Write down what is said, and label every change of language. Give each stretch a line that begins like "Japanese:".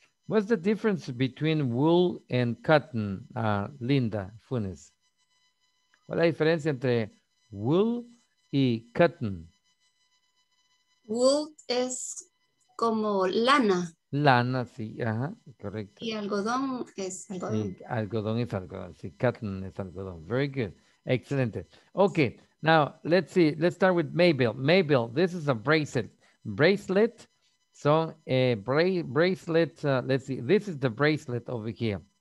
English: What's the difference between wool and cotton, Linda Funes?
Spanish: ¿Cuál es la diferencia entre wool y cotton? Wool es como lana. Lana, sí, ajá, correcto. Y algodón. Sí, algodón es algodón, sí, cotton es algodón.
English: Very good, excelente. Okay, now let's see, let's start with Mabel. Mabel, this is a bracelet. Bracelet, so a bracelet, let's see, this is the bracelet over here.